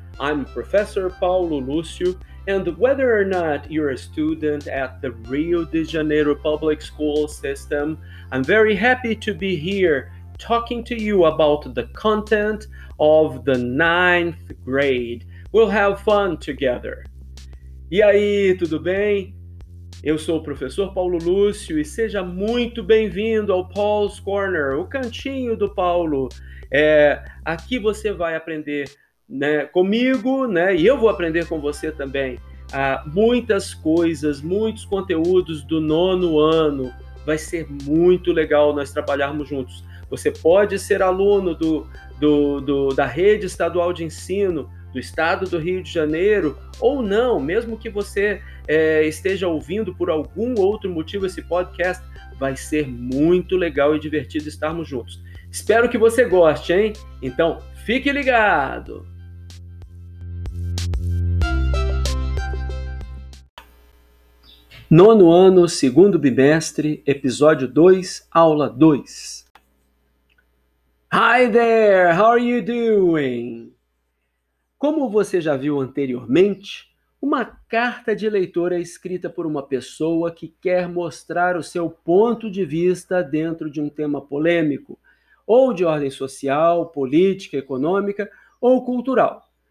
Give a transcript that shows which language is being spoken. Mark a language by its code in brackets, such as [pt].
[en] I'm Professor Paulo Lúcio, and whether or not you're a student at the Rio de Janeiro public school system, I'm very happy to be here talking to you about the content of the ninth grade. We'll have fun together. [pt] E aí, tudo bem? Eu sou o professor Paulo Lúcio e seja muito bem-vindo ao Paul's Corner, o cantinho do Paulo. Aqui você vai aprender, né, comigo, né, e eu vou aprender com você também muitas coisas, muitos conteúdos do nono ano. Vai ser muito legal nós trabalharmos juntos. Você pode ser aluno da rede estadual de ensino do estado do Rio de Janeiro, ou não, mesmo que você esteja ouvindo por algum outro motivo esse podcast, vai ser muito legal e divertido estarmos juntos. Espero que você goste, hein? Então, fique ligado! Nono ano, segundo bimestre, episódio 2, aula 2. [en] Hi there, how are you doing? [pt] Como você já viu anteriormente, uma carta de leitor é escrita por uma pessoa que quer mostrar o seu ponto de vista dentro de um tema polêmico, ou de ordem social, política, econômica ou cultural.